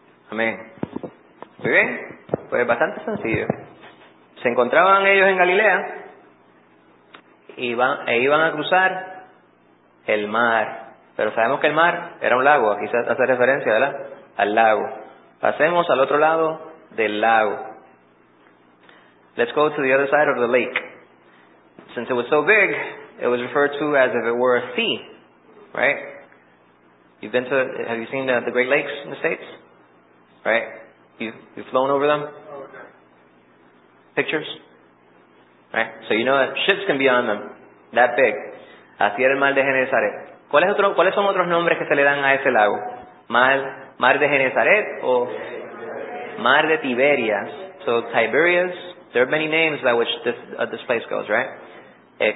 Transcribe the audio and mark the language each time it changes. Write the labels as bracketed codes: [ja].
[es] Amén. Muy bien, pues bastante sencillo. Se encontraban ellos en Galilea e iban a cruzar el mar. Pero sabemos que el mar era un lago, aquí se hace referencia, ¿verdad? Al lago. Pasemos al otro lado del lago. [en] Let's go to the other side of the lake. Since it was so big, it was referred to as if it were a sea, right? Have you seen the Great Lakes in the States? Right? You've flown over them? Pictures? Right? So you know that ships can be on them, that big. [es] Así era el mar de Genesaret. ¿Cuáles son otros nombres que se le dan a ese lago? ¿Mar de Genesaret o Mar de Tiberias? [en] So Tiberias, there are many names by which this place goes, right?